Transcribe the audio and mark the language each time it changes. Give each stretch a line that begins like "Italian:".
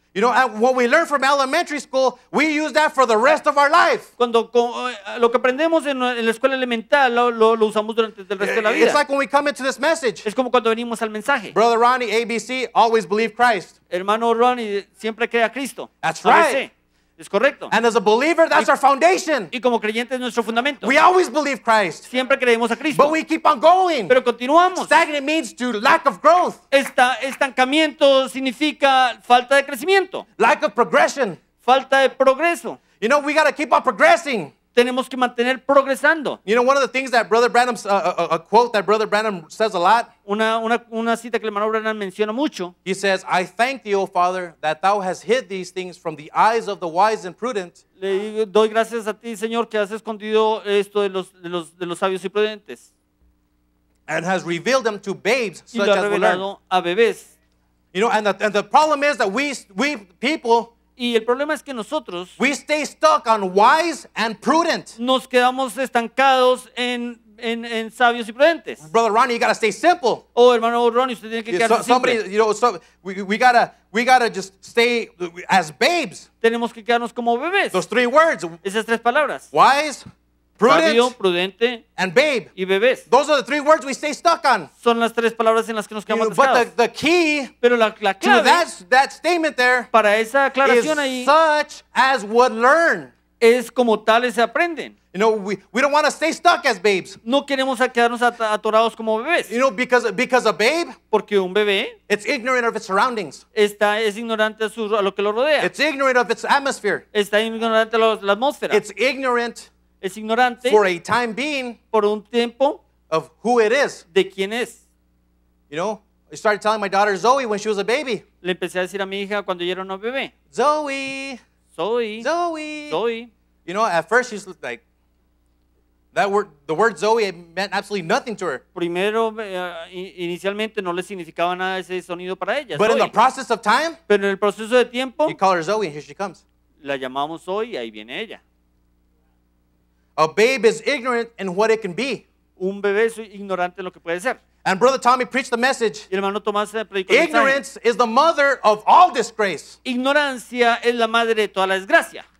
English: You know, and what we learned from elementary school, we use that for the rest of our life.
Spanish: Cuando lo que aprendemos en la escuela elemental, lo usamos durante el resto de la vida.
English: It's like when we come into this message.
Spanish: Es como cuando venimos al mensaje.
English: Brother Ronnie, ABC, always believe Christ.
Spanish: Hermano Ronnie, siempre crea Cristo.
English: That's right. ABC.
Spanish: Es correcto.
English: And as a believer, that's our foundation.
Spanish: Y como creyente es nuestro fundamento.
English: We always believe Christ.
Spanish: Siempre creemos a Cristo.
English: But we keep on going.
Spanish: Pero continuamos.
English: Stagnant means to lack of growth.
Spanish: Estancamiento significa falta de crecimiento.
English: Lack of progression.
Spanish: Falta de progreso.
English: You know, we got to keep on progressing.
Spanish: Tenemos que mantener progresando.
English: You know, one of the things that Brother Branham's a quote that Brother Branham says a lot.
Spanish: Una cita que el hermano Branham menciona mucho.
English: He says, "I thank thee, O Father, that thou hast hid these things from the eyes of the wise and prudent."
Spanish: Le doy gracias a ti, Señor, que has escondido esto de los sabios y prudentes.
English: And has revealed them to babes,
Spanish: y
English: such as we learn.
Spanish: A bebés.
English: You know, and the problem is that we people.
Spanish: Y el problema es que nosotros
English: we stay stuck on wise and prudent.
Spanish: Nos quedamos estancados en sabios y prudentes.
English: Brother Ronnie, you gotta stay simple.
Spanish: Oh, hermano Ronnie, usted tiene que quedarse simple.
English: Somebody, you know, so we gotta just stay as babes.
Spanish: Tenemos que quedarnos como bebés.
English: Those three words.
Spanish: Esas tres palabras.
English: Wise, prudent,
Spanish: sabio, prudente,
English: and babe.
Spanish: Y bebés.
English: Those are the three words we stay stuck on.
Spanish: Son las tres palabras en las que nos quedamos atascados.
English: But the key
Spanish: pero la clave
English: to that statement there
Spanish: para esa aclaración
English: is such as would learn.
Spanish: Es como tales se aprenden.
English: You know, we don't want to stay stuck as babes.
Spanish: No queremos quedarnos atorados como bebés.
English: You know, because a babe,
Spanish: porque un bebé,
English: it's ignorant of its surroundings.
Spanish: Es ignorante a lo que lo rodea.
English: It's ignorant of its atmosphere.
Spanish: Está ignorante a la atmósfera.
English: It's ignorant.
Spanish: Es ignorante
English: for a time being
Spanish: por un tiempo
English: of who it is.
Spanish: De quién es.
English: You know, I started telling my daughter Zoe when she was a baby.
Spanish: Le empecé a decir a mi hija cuando ella era una bebé.
English: Zoe.
Spanish: Zoe.
English: Zoe.
Spanish: Zoe.
English: You know, at first she's like, That word, the word Zoe, it meant absolutely nothing to her.
Spanish: Primero, inicialmente no le significaba nada ese sonido para ella.
English: But in the process of time,
Spanish: pero en el proceso de tiempo,
English: you call her Zoe, and here she comes.
Spanish: La llamamos Zoe, y ahí viene ella.
English: A babe is ignorant in what it can be.
Spanish: Un bebé es ignorante en lo que puede ser.
English: And Brother Tommy preached the message.
Spanish: Y el hermano Tomás predicó el mensaje.
English: Ignorance is the mother of all disgrace.
Spanish: Ignorancia es la madre de toda la desgracia.